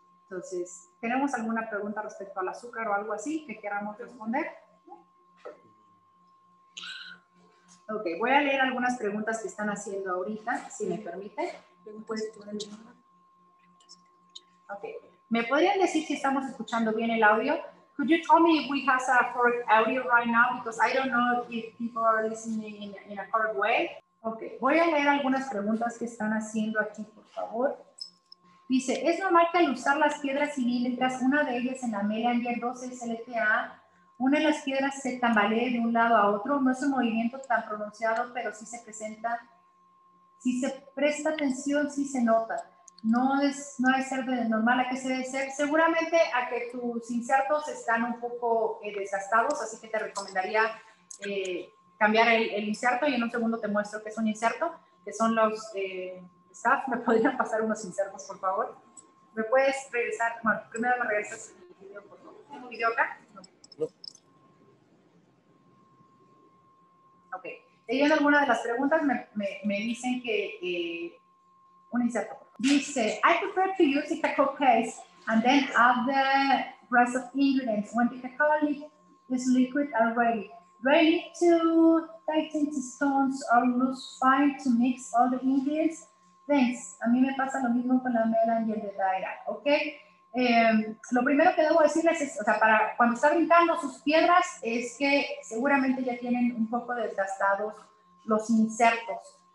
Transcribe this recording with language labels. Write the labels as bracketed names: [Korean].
[Spanish] Entonces, ¿tenemos alguna pregunta respecto al azúcar o algo así que queramos responder? Ok, voy a leer algunas preguntas que están haciendo ahorita, si me permite. Okay. ¿Me podrían decir si estamos escuchando bien el audio? [English] Could you tell me if we have a correct audio right now? Because I don't know if people are listening in a correct way. [Spanish] Ok, voy a leer algunas preguntas que están haciendo aquí, por favor. Dice, ¿es normal que al usar las piedras cilíndricas, una de ellas en la media en 12 SLTA, una de las piedras se tambalee de un lado a otro? No es un movimiento tan pronunciado, pero sí se presenta. Si se presta atención, sí se nota. No debe ser de normal, ¿a qué se debe ser? Seguramente a que tus insertos están un poco desgastados, así que te recomendaría cambiar el inserto y en un segundo te muestro que es un inserto, que son los staff. ¿Me podrían pasar unos insertos, por favor? ¿Me puedes regresar? Bueno, primero me regresas el video, por favor. ¿Tengo un video acá? Leyendo alguna de las preguntas, me dicen que un inserto. Dice, [English] I prefer to use the cacao paste and then add the rest of ingredients when the cacao leaf is liquid already. Do I need to tighten the stones or loose fine to mix all the ingredients? Thanks. [Spanish] A mí me pasa lo mismo con la mela y el de Daira. Ok. Lo primero que debo decirles es, o sea, para cuando están brincando sus piedras, es que seguramente ya tienen un poco desgastados los insertos.